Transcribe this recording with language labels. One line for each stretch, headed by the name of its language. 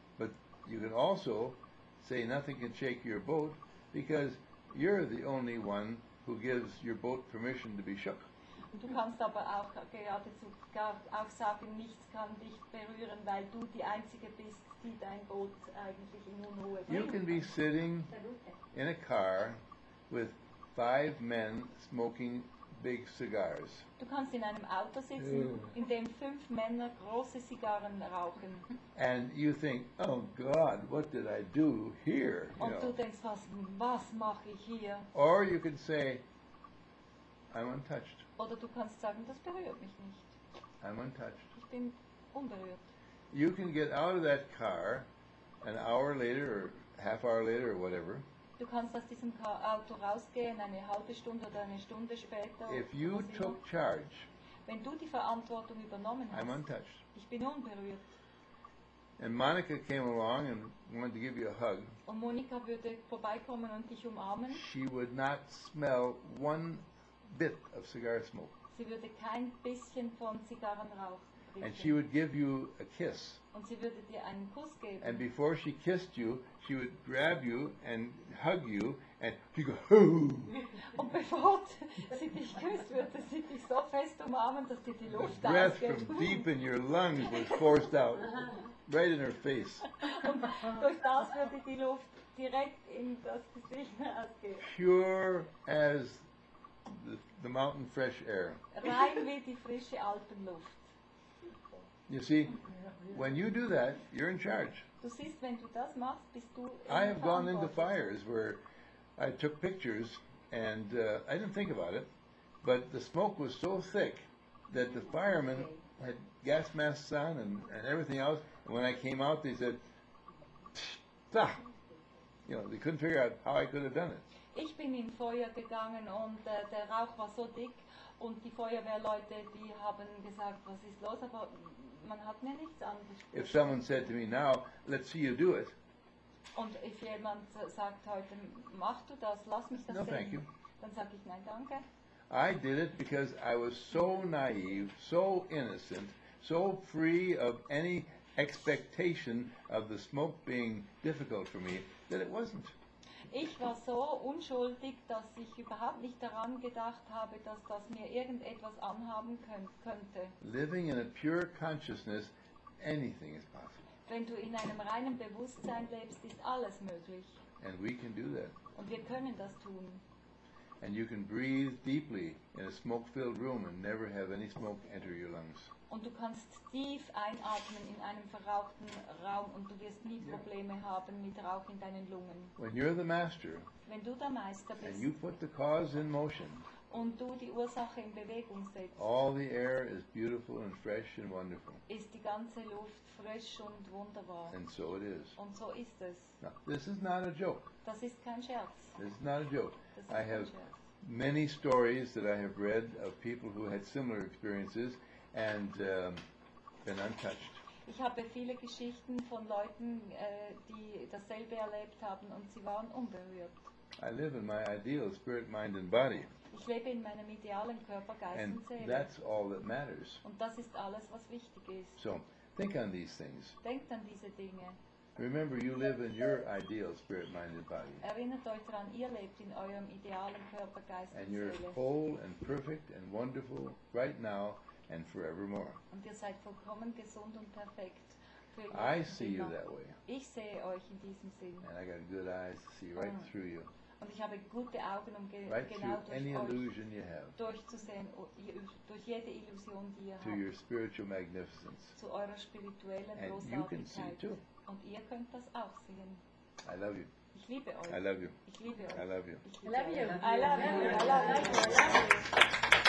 English: But you can also say nothing can shake your boat because you're the only one who gives your boat permission to be shook.
German: Und du kannst aber auch geradezu auch sagen, nichts kann dich berühren, weil du die einzige bist, die dein Boot eigentlich in Unruhe bringt.
English: You can be sitting in a car with five men smoking big cigars.
German: Du kannst in einem Auto sitzen, in dem fünf Männer große Zigarren rauchen.
English: And you think, oh God, what did I do here?
German: Und du denkst, was mache ich hier?
English: Or you can say, I'm untouched.
German: Oder du kannst sagen, das berührt mich nicht.
English: I'm untouched.
German: Ich bin unberührt.
English: You can get out of that car an hour later or half hour later or whatever.
German: Du kannst aus diesem Auto rausgehen, eine halbe Stunde oder eine Stunde später.
English: If you took charge,
German: wenn du die Verantwortung übernommen hast,
English: I'm untouched.
German: Ich bin unberührt.
English: And Monica came along and wanted to give you a hug.
German: Und Monika würde vorbeikommen und dich umarmen.
English: She would not smell one bit of cigar smoke.
German: Sie würde kein bisschen von Zigarrenrauch riechen.
English: And she would give you a kiss.
German: Und sie würde dir einen Kuss geben.
English: And before she kissed you, she would grab you and hug you, and she'd go, hoo!
German: Und bevor sie dich küsst, würde sie dich so fest umarmen, dass dir die Luft ausgeht.
English: The breath from deep in your lungs was forced out, right in her face.
German: Und durch das würde die Luft direkt in das Gesicht ausgehen.
English: Pure as the mountain fresh air.
German: Rein wie die frische Alpenluft.
English: You see, when you do that, you're in charge.
German: Du siehst, wenn du das machst, bist du
English: I have gone into fires where I took pictures and I didn't think about it, but the smoke was so thick that the firemen had gas masks on and everything else. And when I came out, they said, "Tch, tch." You know, they couldn't figure out how I could have done it.
German: Ich bin in Feuer gegangen und der Rauch war so dick und die Feuerwehrleute, die haben gesagt, was ist los, aber man hat mir nichts angesprochen.
English: If someone said to me now, let's see you do it.
German: Und
English: if
German: jemand sagt heute, mach du das, lass mich das
English: no,
German: sehen,
English: thank you.
German: Dann sage ich nein, danke.
English: I did it because I was so naive, so innocent, so free of any expectation of the smoke being difficult for me, that it wasn't.
German: Ich war so unschuldig, dass ich überhaupt nicht daran gedacht habe, dass das mir irgendetwas anhaben könnte.
English: Living in a pure consciousness, anything is possible.
German: Wenn du in einem reinen Bewusstsein lebst, ist alles möglich.
English: And we can do that.
German: Und wir können das tun.
English: And you can breathe deeply in a smoke-filled room and never have any smoke enter your lungs.
German: Und du kannst tief einatmen in einem verrauchten Raum und du wirst nie Probleme haben mit Rauch in deinen Lungen.
English: When you're the master,
German: wenn du der Meister bist
English: and you put the cause in motion,
German: und du die Ursache in Bewegung setzt,
English: all the air is beautiful and fresh and wonderful.
German: Ist die ganze Luft frisch und wunderbar.
English: And so it is.
German: Und so ist es.
English: Now, this is not a joke.
German: Das ist kein Scherz.
English: This is not a joke.
German: Das ist
English: I have
German: Scherz.
English: Many stories that I have read of people who had similar experiences and been untouched.
German: Ich habe viele Geschichten von Leuten, die dasselbe erlebt haben und sie waren unberührt.
English: I live in my ideal spirit, mind and body.
German: Ich lebe in meinem idealen Körper, Geist
English: and
German: und Seele.
English: That's all that matters.
German: Und das ist alles, was wichtig ist.
English: So, Think on these things.
German: Denkt an diese Dinge.
English: Remember, you live in your ideal spirit-minded body.
German: Erinnert euch daran, ihr lebt in eurem idealen Körper, Geist und Seele.
English: And you're whole and perfect and wonderful right now and forevermore.
German: Und ihr seid vollkommen gesund und perfekt.
English: I see you that way.
German: Ich sehe euch in diesem Sinn.
English: And I got good eyes to see right through you.
German: Und ich habe gute Augen, um durchzusehen, durch jede Illusion, die ihr
English: to
German: habt.
English: Your spiritual magnificence.
German: Zu eurer spirituellen
English: and
German: Großartigkeit.
English: You can see too.
German: Und ihr könnt das auch sehen.
English: I love you.
German: Ich liebe euch.
English: I love you.
German: Ich liebe euch.
English: I love you. I love you. I love you. I love you. I love you. I love you.